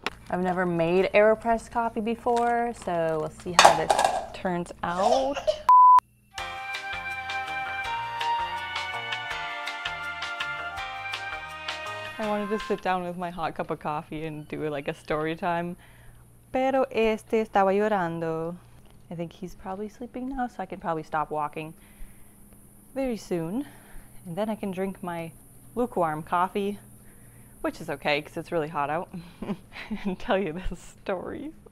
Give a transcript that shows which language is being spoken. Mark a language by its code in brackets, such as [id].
[en] I've never made AeroPress coffee before, so we'll see how this turns out. I wanted to sit down with my hot cup of coffee and do like a story time. [es] Pero este estaba llorando. [en] I think he's probably sleeping now, so I can probably stop walking very soon. And then I can drink my lukewarm coffee, which is okay because it's really hot out, and tell you this story.